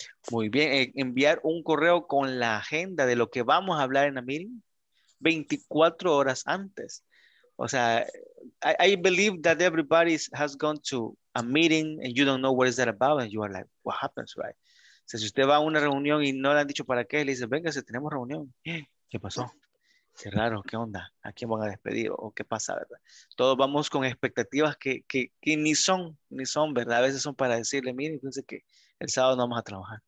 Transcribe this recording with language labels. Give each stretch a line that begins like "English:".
Spanish: Muy bien, enviar un correo con la agenda de lo que vamos a hablar en la meeting 24 horas antes. O sea,
English: I believe that everybody has gone to a meeting and you don't know what is that about and you are like, what happens, right?
Spanish: O sea, si usted va a una reunión y no le han dicho para qué, le dice, venga, si tenemos reunión. ¿Qué pasó? Qué raro, qué onda. ¿A quién van a despedir o qué pasa, verdad? Todos vamos con expectativas que ni son, ¿verdad? A veces son para decirle, miren, fíjense que el sábado no vamos a trabajar.